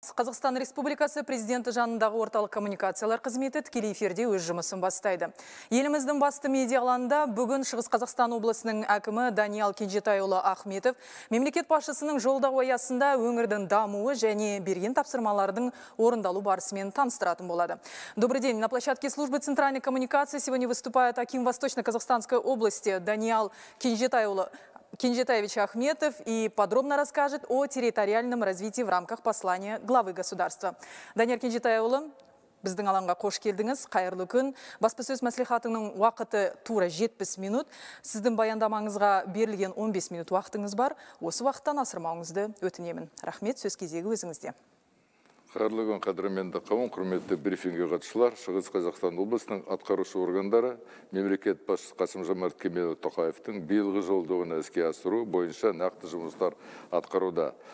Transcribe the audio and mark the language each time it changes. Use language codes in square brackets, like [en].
[kk] Қазақстан Республикасы президенті жанындағы орталық коммуникациялар қызметі тікелей эфирде өз жұмысын бастайды. Еліміздің басты медиаланда бүгін Шығыс Қазақстан облысының әкімі Даниал Кенжетайұлы Ахметов мемлекет басшысының жолдауы аясында өңірдің дамуы және берген тапсырмалардың орындалу барысымен таныстыратын болады. [ru] Добрый день. На площадке службы центральной коммуникации сегодня выступает аким Восточно-Казахстанской области Даниал Кенжетайұлы Кенжетаевич Ахметов и подробно расскажет о территориальном развитии в рамках послания главы государства. [kk] Даниал Кенжетайұлы, біздің алаңға қош келдіңіз, қайырлы күн. Баспасөз мәслихатының уақыты тура 70 минут. Сіздің баяндамаңызға берілген 15 минут уақытыңыз бар. Осы уақыттан асырмауыңызды өтінемін. Рахмет, сөз кезегі өзіңізде. Қайырлы күн, қадірменді қауым, құрметті брифинге қатысушылар, Шығыс Қазақстан облысының атқарушы органдары, мемлекет басшысы Қасым-Жомарт Кемелұлы Тоқаевтың биылғы жолдауын іске асыру бойынша нақты жұмыстар атқаруда.